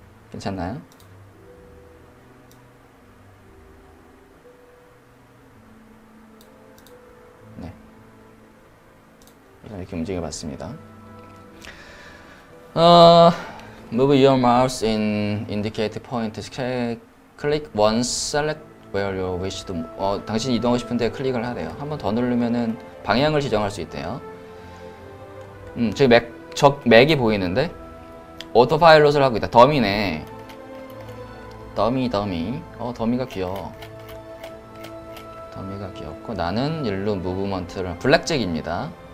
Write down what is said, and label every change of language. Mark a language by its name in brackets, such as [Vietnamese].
[Korean] 괜찮나요? 이렇게 움직여봤습니다. [English] Move your mouse in indicated point. Click once, select where you wish to. [Korean] 당신이 이동하고 싶은데 클릭을 하래요. 한번 더 누르면은 방향을 지정할 수 있대요. 지금 맥이 보이는데 오토파일럿을 하고 있다. 더미네. 더미. 더미가 귀여워. 더미가 귀엽고 나는 일로 무브먼트를 블랙잭입니다.